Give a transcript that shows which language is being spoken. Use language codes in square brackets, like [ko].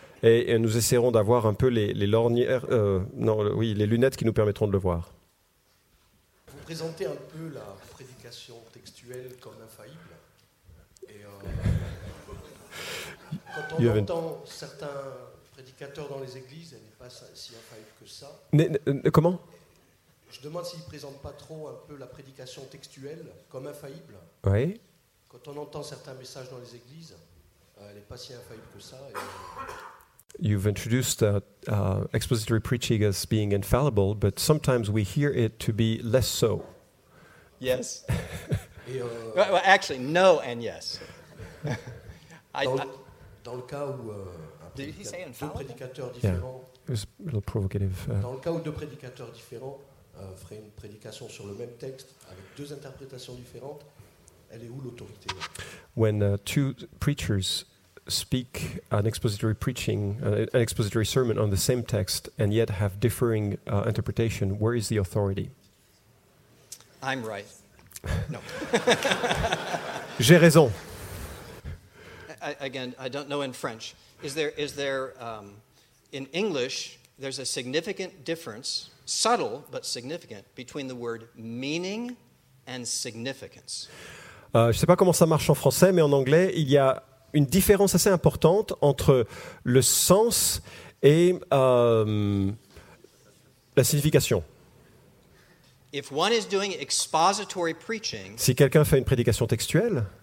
[fr] Et nous essaierons d'avoir un peu les lorgnières, les lunettes qui nous permettront de le voir. Vous présentez un peu la prédication textuelle comme infaillible. Et quand on entend certains prédicateurs dans les églises, elle n'est pas si infaillible que ça. Comment ? Je demande s'ils ne présentent pas trop un peu la prédication textuelle comme infaillible. Oui. Quand on entend certains messages dans les églises, elle n'est pas si infaillible que ça. [en] You've introduced expository preaching as being infallible, but sometimes we hear it to be less so. Yes. well, actually, no and yes. [fr] Dans le cas où deux prédicateurs différents, [en] yeah. It was a little provocative. [fr] Dans le cas où deux prédicateurs différents feraient une prédication sur le même texte avec deux interprétations différentes, elle est où l'autorité? [en] When two preachers speak an expository sermon on the same text and yet have differing interpretation, where is the authority? I'm right. No. [fr] J'ai raison. [en] Again, I don't know in French. Is there in English, there's a significant difference, subtle but significant, between the word meaning and significance. [fr] Je ne sais pas comment ça marche en français, mais en anglais, il y a une différence assez importante entre le sens et la signification. [en] If one is doing expository preaching, [fr] si quelqu'un fait une prédication textuelle,